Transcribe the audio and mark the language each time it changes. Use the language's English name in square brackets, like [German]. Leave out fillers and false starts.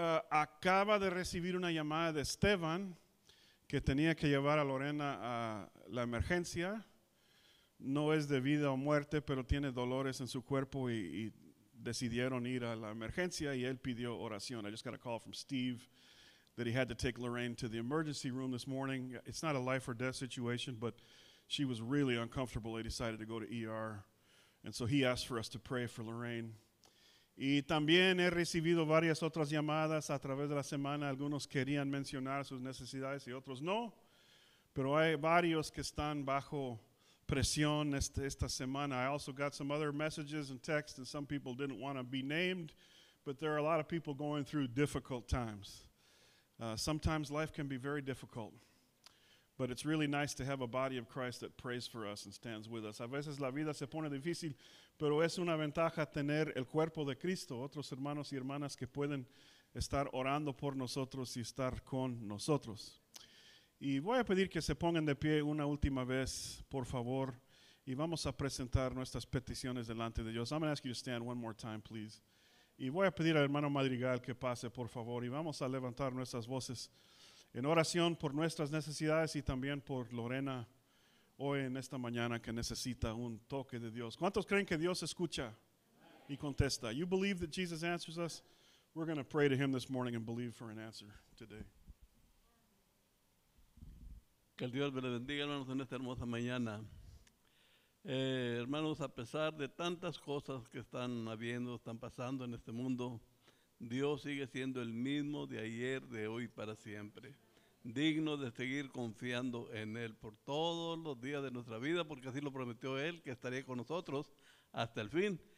[Spanish] Acaba de recibir una llamada de Esteban que tenía que llevar a Lorena a la emergencia. No es de vida o muerte, pero tiene dolores en su cuerpo y decidieron ir a la emergencia y él pidió oración. [English] I just got a call from Steve that he had to take Lorraine to the emergency room this morning. It's not a life or death situation, but she was really uncomfortable. They decided to go to ER, and so he asked for us to pray for Lorraine. [Spanish] Y también he recibido varias otras llamadas a través de la semana. Algunos querían mencionar sus necesidades y otros no. Pero hay varios que están bajo presión esta semana. [English] I also got some other messages and texts, and some people didn't want to be named. But there are a lot of people going through difficult times. Sometimes life can be very difficult. But it's really nice to have a body of Christ that prays for us and stands with us. [Spanish] A veces la vida se pone difícil, pero es una ventaja tener el cuerpo de Cristo, otros hermanos y hermanas que pueden estar orando por nosotros y estar con nosotros. Y voy a pedir que se pongan de pie una última vez, por favor, y vamos a presentar nuestras peticiones delante de Dios. [English] I'm going to ask you to stand one more time, please. [Spanish] Y voy a pedir al hermano Madrigal que pase, por favor, y vamos a levantar nuestras voces en oración por nuestras necesidades y también por Lorena hoy en esta mañana que necesita un toque de Dios. ¿Cuántos creen que Dios escucha y contesta? [English] You believe that Jesus answers us? We're going to pray to him this morning and believe for an answer today. [Spanish] Que el Dios me le bendiga, hermanos, en esta hermosa mañana. Hermanos, a pesar de tantas cosas que están habiendo, están pasando en este mundo, Dios sigue siendo el mismo de ayer, de hoy, para siempre. digno de seguir confiando en Él por todos los días de nuestra vida, porque así lo prometió Él, que estaría con nosotros hasta el fin.